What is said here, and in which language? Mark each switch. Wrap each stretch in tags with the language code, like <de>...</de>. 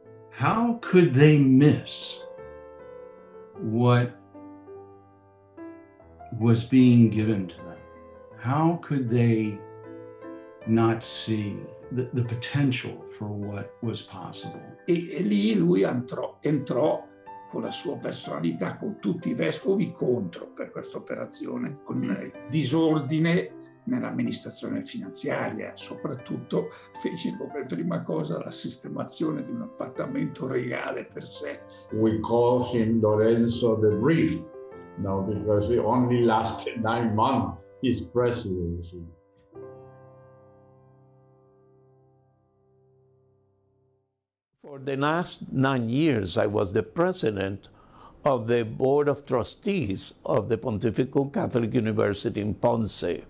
<en>How could they miss what was being given to them? How could they not see the potential for what was possible?</en> <it>E lì lui entrò. Con la sua personalità, con tutti i vescovi contro per questa operazione, con disordine nell'amministrazione finanziaria. Soprattutto fece come prima cosa la sistemazione di un appartamento regale per sé.</it> <en>We call him Lorenzo the Brief, no, because he only lasted 9 months his presidency. For the last 9 years, I was the president of the Board of Trustees of the Pontifical Catholic University in Ponce.</en>